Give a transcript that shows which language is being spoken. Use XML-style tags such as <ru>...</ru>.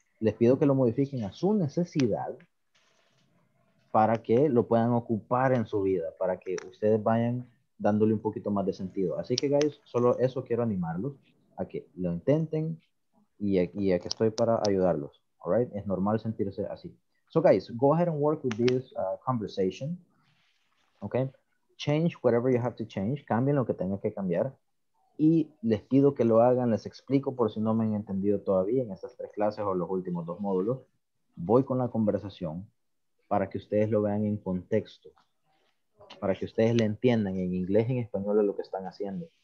<es>Les pido que lo modifiquen a su necesidad para que lo puedan ocupar en su vida, para que ustedes vayan dándole un poquito más de sentido. Así que, guys, solo eso quiero animarlos, a que lo intenten y a que estoy para ayudarlos.</es> <en>All right?</en> <es>Es normal sentirse así.</es> <en>So, guys, go ahead and work with this conversation. Okay? Change whatever you have to change.</en> <es>Cambien lo que tengan que cambiar. Y les pido que lo hagan, les explico por si no me han entendido todavía en estas tres clases o los últimos dos módulos. Voy con la conversación para que ustedes lo vean en contexto, para que ustedes le entiendan en inglés y en español lo que están haciendo.</es>